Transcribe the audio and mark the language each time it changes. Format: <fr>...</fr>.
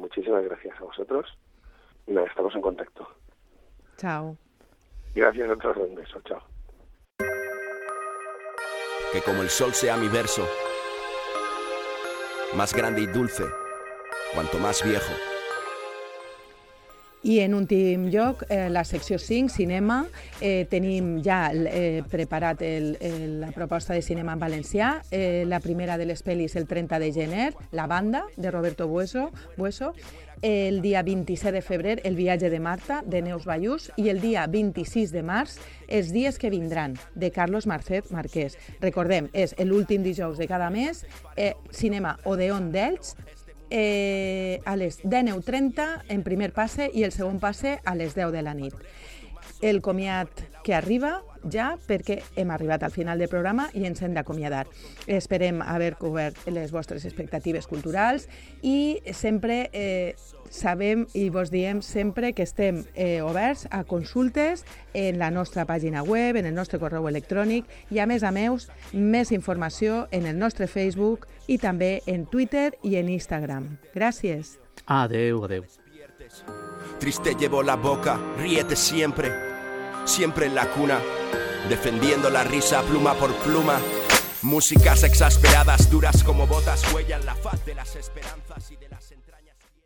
<es>Muchísimas gracias a vosotros. Nada, estamos en contacto. Chao. Gracias a todos. Un beso. Chao. Que como el sol sea mi verso, más grande y dulce, cuanto más viejo.</es> <ca>I en últim lloc, la secció 5, cinema, tenim ja preparat la proposta de cinema en valencià, la primera de les pel·lis el 30 de gener, La banda, de Roberto Bueso, el dia 27 de febrer, El viatge de Marta, de Neus Ballús, i el dia 26 de març, Els dies que vindran, de Carlos Marcet Marquès. Recordem, és l'últim dijous de cada mes, cinema Odeon d'Elx, a les 10:30 en primer passe i el segon passe a les 10 de la nit. El comiat que arriba ja, perquè hem arribat al final del programa i ens hem d'acomiadar. Esperem haver cobert les vostres expectatives culturals i sempre sabem i vos diem sempre que estem oberts a consultes en la nostra pàgina web, en el nostre correu electrònic i a més informació en el nostre Facebook i també en Twitter i en Instagram. Gràcies. Adeu, adeu.</ca> <es>Triste llevo la boca, ríete siempre, siempre en la cuna, defendiendo la risa pluma por pluma. Músicas exasperadas, duras como botas, huellan la faz de las esperanzas y de las entrañas.</es>